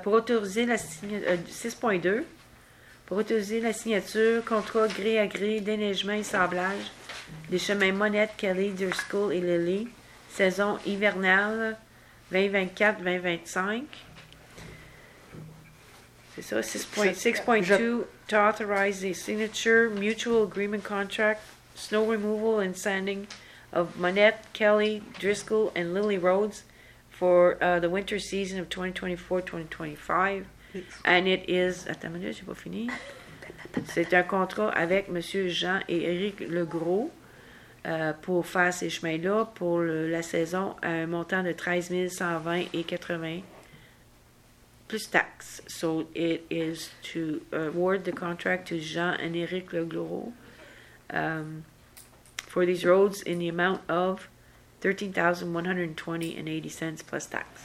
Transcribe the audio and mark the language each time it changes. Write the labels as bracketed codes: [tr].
[fr] Pour autoriser la signature 6.2, pour autoriser la signature contrat gré à gré déneigement et sablage des chemins Monette, Kelly, Deer School et Lily, saison hivernale 2024-2025. C'est ça, [en] 6.2, to authorize the signature mutual agreement contract, snow removal and sanding of Monette, Kelly, Driscoll, and Lily Roads for the winter season of 2024-2025. And it is... [fr] Attends une minute, j'ai pas fini. C'est un contrat avec M. Jean et Éric Legros pour faire ces chemins-là pour la saison à un montant de 13 120,80 plus taxes. [en] So it is to award the contract to Jean and Éric Legros for these roads in the amount of $13,120.80 plus tax.